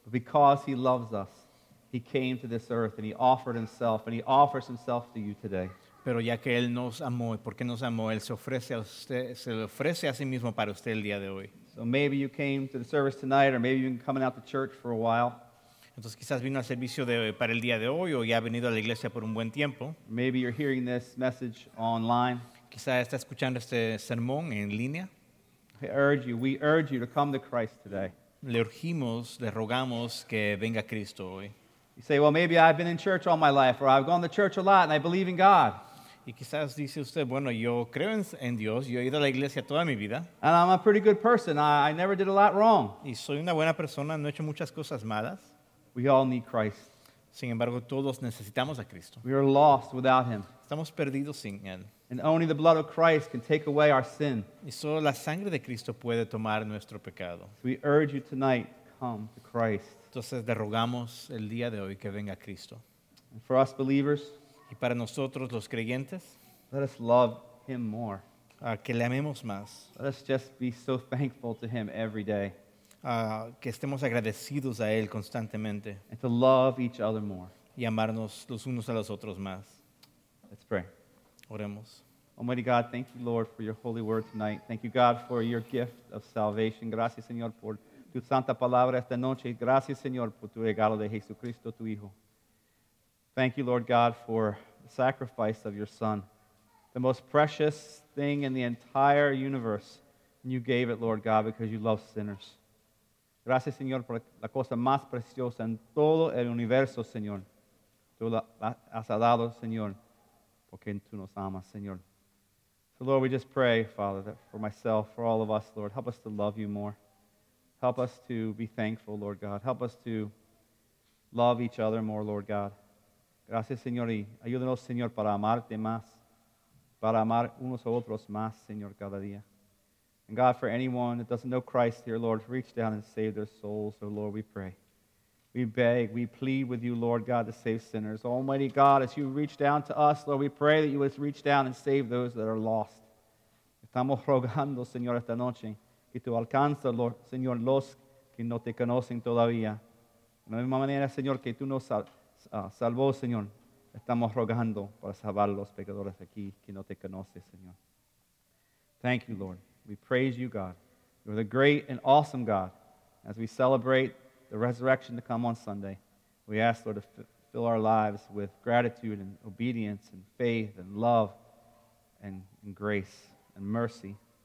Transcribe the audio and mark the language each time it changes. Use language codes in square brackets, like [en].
[en] Because he loves us, he came to this earth and he offered himself and he offers himself to you today. [es] Pero ya que Él nos amó y porque nos amó, Él se ofrece a sí mismo para usted el día de hoy. [en] So maybe you came to the service tonight or maybe you've been coming out to church for a while. [es] Entonces quizás vino al servicio para el día de hoy o ya ha venido a la iglesia por un buen tiempo. [en] Maybe you're hearing this message online. [es] Quizás está escuchando este sermón en línea. [en] We urge you to come to Christ today. [es] Le urgimos, le rogamos que venga Cristo hoy. [en] You say, well, maybe I've been in church all my life or I've gone to church a lot and I believe in God. [es] Y quizás dice usted, bueno, yo creo en Dios, yo he ido a la iglesia toda mi vida. [en] And I'm a pretty good person. I never did a lot wrong. [es] Y soy una buena persona, no he hecho muchas cosas malas. [en] We all need Christ. [es] Sin embargo, todos necesitamos a Cristo. [en] We are lost without him. [es] Estamos perdidos sin él. [en] And only the blood of Christ can take away our sin. [es] Y solo la sangre de Cristo puede tomar nuestro pecado. [en] We urge you tonight to come to Christ. [es] Entonces, le rogamos el día de hoy que venga Cristo. [en] And for us believers, [es] y para nosotros los creyentes, [en] let us love him more. [es] Que le amemos más. [en] Let us just be so thankful to him every day. [es] Que estemos agradecidos a Él constantemente. [en] And to love each other more. [es] Y amarnos los unos a los otros más. [en] Let's pray. [es] Oremos. [en] Almighty God, thank you, Lord, for your holy word tonight. Thank you, God, for your gift of salvation. [es] Gracias, Señor, por tu santa palabra esta noche. Gracias, Señor, por tu regalo de Jesucristo, tu Hijo. [en] Thank you, Lord God, for the sacrifice of your Son. The most precious thing in the entire universe. And you gave it, Lord God, because you love sinners. [es] Gracias, Señor, por la cosa más preciosa en todo el universo, Señor. Tú la has dado, Señor, porque tú nos amas, Señor. [en] So, Lord, we just pray, Father, that for myself, for all of us, Lord, help us to love you more. Help us to be thankful, Lord God. Help us to love each other more, Lord God. [es] Gracias, Señor, y ayúdanos, Señor, para amarte más, para amar unos a otros más, Señor, cada día. [en] And God, for anyone that doesn't know Christ here, Lord, reach down and save their souls. Oh, Lord, we pray. We beg, we plead with you, Lord God, to save sinners. Almighty God, as you reach down to us, Lord, we pray that you would reach down and save those that are lost. [es] Estamos rogando, Señor, esta noche, que tú alcances, Lord, Señor, los que no te conocen todavía. De la misma manera, Señor, que tú nos salvó, Señor, Estamos rogando para salvar los pecadores aquí que no te conocen, Señor. [en] Thank you, Lord. We praise you, God. You're the great and awesome God. As we celebrate the resurrection to come on Sunday, we ask, Lord, to fill our lives with gratitude and obedience and faith and love and grace and mercy.